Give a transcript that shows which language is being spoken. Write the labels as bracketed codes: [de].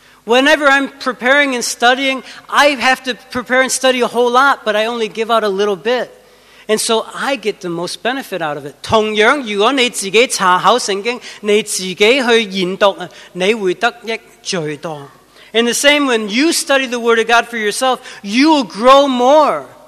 [en] Whenever I'm preparing and studying, I have to prepare and study a whole lot, but I only give out a little bit. And so I get the most benefit out of it. [yue] 同样，如果你自己查考圣经，你自己去研读，你会得益最多。 [en] And the same when you study the Word of God for yourself, you will grow more.